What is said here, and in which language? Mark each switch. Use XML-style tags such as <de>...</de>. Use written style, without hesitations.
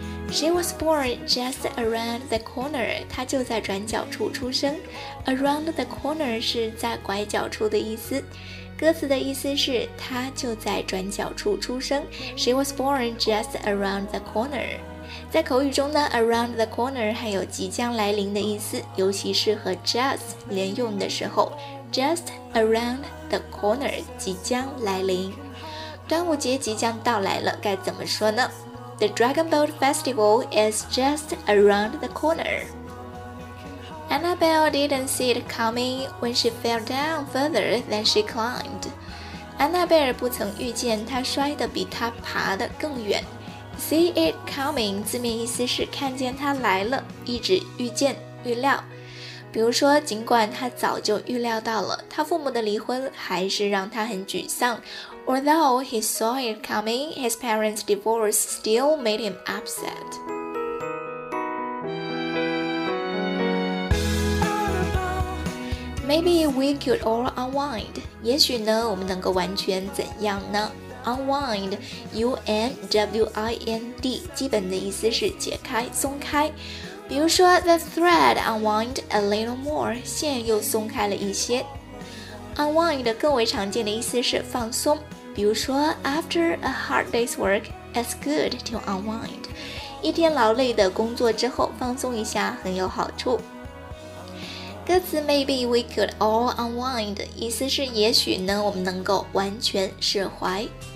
<en>She was born just around the corner.</en> <zh>她就在转角处出生。</zh> <en>Around the corner</en> <zh>是在拐角处的意思。歌词的意思是她就在转角处出生。</zh> <en>She was born just around the corner.</en> <zh>在口语中呢</zh> <en>around the corner</en> <zh>还有即将来临的意思，尤其是和 just 连用的时候，</zh> <en>just around the corner</en> <zh>即将来临。端午节即将到来了，该怎么说呢？</zh> <en>The Dragon Boat Festival is just around the corner. Annabelle didn't see it coming when she fell down further than she climbed.</en> <zh>安娜贝尔不曾预见她摔得比她爬得更远。</zh> <en>See it coming</en> <zh>字面意思是看见它来了，一直预见预料。比如说尽管他早就预料到了，他父母的离婚还是让他很沮丧。</zh> <en>Although he saw it coming, his parents' divorce still made him upset. Maybe we could all unwind.</en> <zh>也许呢我们能够完全怎样呢？Unwind, U-N-W-I-N-D, 基本的意思是解开、松开。比如说</zh> <en>the thread unwind a little more,</en> <zh>线又松开了一些。 Unwind 更为常见的意思是放松。比如说</zh> <en>after a hard day's work, it's good to unwind.</en> <zh>一天劳累的工作之后放松一下很有好处。歌词</zh> <en>Maybe we could all unwind</en> <zh>意思是也许呢我们能够完全释怀。</zh>